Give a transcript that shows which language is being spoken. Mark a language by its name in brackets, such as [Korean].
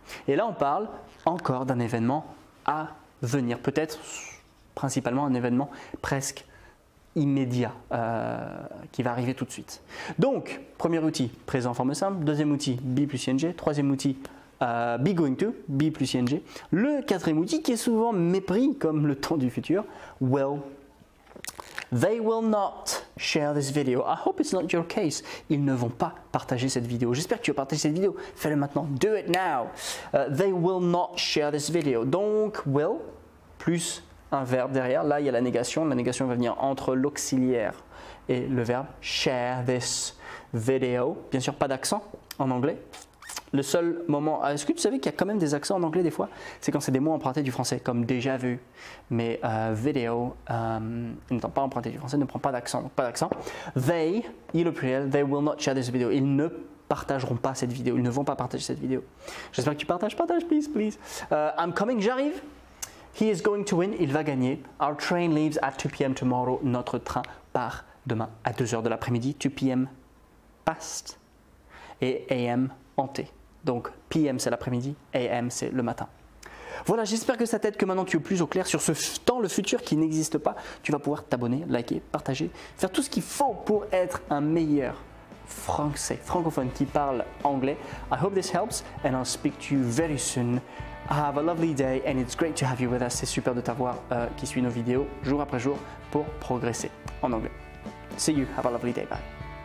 [French] Et là, on parle encore d'un événement à venir, peut-être principalement un événement presque immédiat qui va arriver tout de suite. Donc, premier outil, présent forme simple. Deuxième outil, be plus ing. Troisième outil, be going to, be plus ing. Le quatrième outil qui est souvent mépris comme le temps du futur, will. [English] They will not share this video. I hope it's not your case. [French] Ils ne vont pas partager cette vidéo. J'espère que tu vas partager cette vidéo. Fais-le maintenant. [English] Do it now. They will not share this video. [French] Donc, will plus un verbe derrière. Là, il y a la négation. La négation va venir entre l'auxiliaire et le verbe [English] share this video. [French] Bien sûr, pas d'accent en anglais. Le seul moment, est-ce que tu savais qu'il y a quand même des accents en anglais des fois? C'est quand c'est des mots empruntés du français, comme déjà vu. Mais vidéo, n'étant pas emprunté du français, ne prend pas d'accent. Donc pas d'accent. They, il au pluriel, [English] they will not share this video. [French] Ils ne partageront pas cette vidéo. Ils ne vont pas partager cette vidéo. J'espère que tu partages. [English] Partage, please, please. I'm coming, [French] j'arrive. [English] He is going to win, [French] il va gagner. [English] Our train leaves at 2 p.m. tomorrow. [French] Notre train part demain à 2h de l'après-midi. 2 p.m. past et a.m. hanté. Donc, PM c'est l'après-midi, AM c'est le matin. Voilà, j'espère que ça t'aide, que maintenant tu es plus au clair sur ce temps, le futur qui n'existe pas. Tu vas pouvoir t'abonner, liker, partager, faire tout ce qu'il faut pour être un meilleur français, francophone qui parle anglais. [English] I hope this helps and I'll speak to you very soon. Have a lovely day and it's great to have you with us. [French] C'est super de t'avoir qui suit nos vidéos jour après jour pour progresser en anglais. [English] See you, have a lovely day, bye.